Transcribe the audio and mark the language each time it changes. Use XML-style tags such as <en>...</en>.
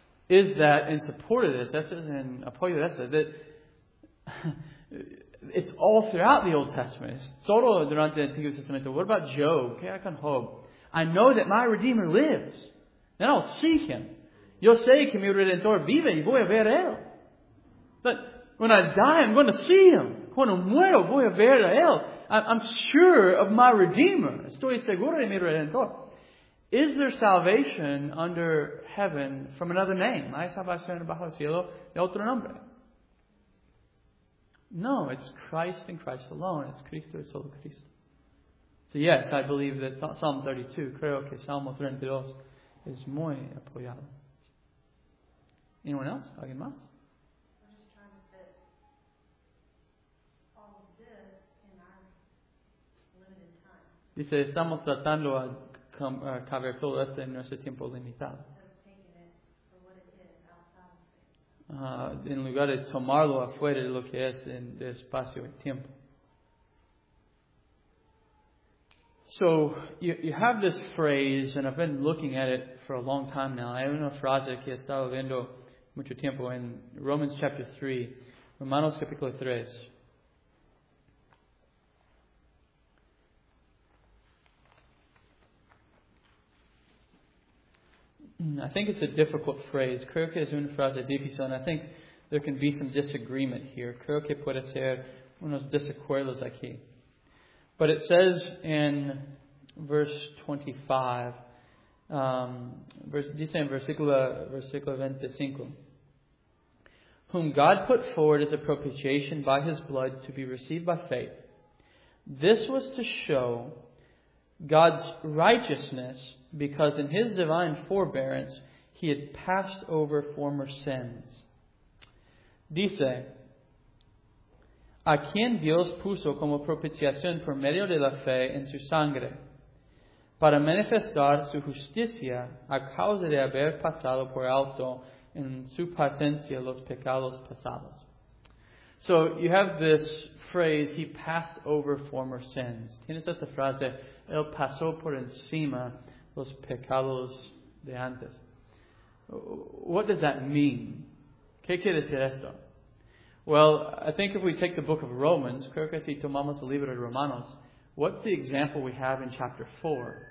<en>Is that in support of this? That's in</en> <es>apoyo de eso.</es> <en>That... It's all throughout the Old Testament. It's</en> <es>todo durante el Antiguo Testamento.</es> <en>What about Job? Okay, I can hope. I know that my Redeemer lives. Then I'll seek him.</en> <es>Yo sé que mi Redentor vive y voy a ver él.</es> <en>But when I die, I'm going to see him.</en> <es>Cuando muero, voy a ver a él.</es> <en>I'm sure of my Redeemer.</en> <es>Estoy seguro de mi Redentor.</es> <en>Is there salvation under heaven from another name?</en> <es>Hay salvación bajo el cielo de otro nombre.</es> <en>No, it's Christ and Christ alone. It's</en> <es>Cristo y solo Cristo.</es> <en>So yes, I believe that Psalm 32,</en> <es>creo que Salmo 32, es muy apoyado.</es> <en>Anyone else?</en> <es>¿Alguien más? Dice, estamos tratando a caber todo esto en nuestro tiempo limitado. En lugar de tomarlo afuera de lo que es en el espacio y tiempo.</es> <en>So, you have this phrase, and I've been looking at it for a long time now.</en> <es>Hay una frase que he estado viendo mucho tiempo en</es> <en>Romans chapter 3,</en> <es>Romanos capítulo 3.</es> <en>I think it's a difficult phrase.</en> <es>Creo que es una frase difícil,</es> <en>and I think there can be some disagreement here.</en> <es>Creo que puede ser unos desacuerdos aquí.</es> <en>But it says in verse 25,</en> <es>dice en versículo 25,</es> <en>whom God put forward as a propitiation by his blood to be received by faith. This was to show God's righteousness, because in his divine forbearance he had passed over former sins.</en> <es>Dice, a quien Dios puso como propiciación por medio de la fe en su sangre, para manifestar su justicia a causa de haber pasado por alto en su paciencia los pecados pasados.</es> <en>So you have this phrase, he passed over former sins.</en> <es>Tienes esta frase, él pasó por encima los pecados de antes.</es> <en>What does that mean?</en> <es>¿Qué quiere decir esto?</es> <en>Well, I think if we take the book of Romans,</en> <es>creo que si tomamos el libro de Romanos,</es> <en>what's the example we have in chapter 4?</en>